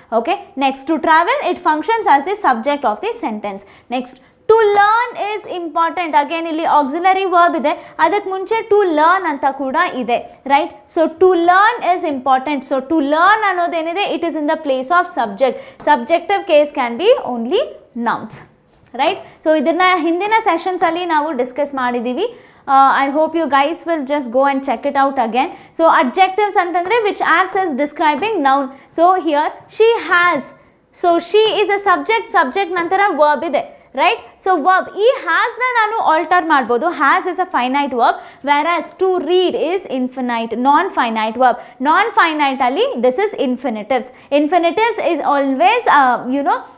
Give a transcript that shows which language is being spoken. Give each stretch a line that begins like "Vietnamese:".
English: okay next to travel it functions as the subject of the sentence next to learn is important again ಇಲ್ಲಿ auxiliary verb
Kannada: ಇದೆ ಅದಕ್ಕೆ ಮುಂಚೆ
English: to learn
Kannada: ಅಂತ ಕೂಡ ಇದೆ
English: right so to learn is important so to learn ಅನ್ನೋದೇನಿದೆ it is in the place of subject subjective case can be only nouns right
Kannada: so ಇದನ್ನ ಹಿಂದಿನ ಸೆಷನ್ಸಲ್ಲಿ ನಾವು ಡಿಸ್ಕಸ್ ಮಾಡಿದ್ದೀವಿ
English: I hope you guys will just go and check it out again. So adjectives antandre which acts as describing noun. So here she has. So she is a subject.
Kannada: Subject nantara verb ide.
English: right so verb
Kannada: ಈ ಹ್ಯಾಸ್ನ ನಾನು alter ಮಾಡ್ಬೋದು
English: has is a finite verb whereas to read is infinite non finite verb non finite ಅಲ್ಲಿ this is infinitives infinitives is always you know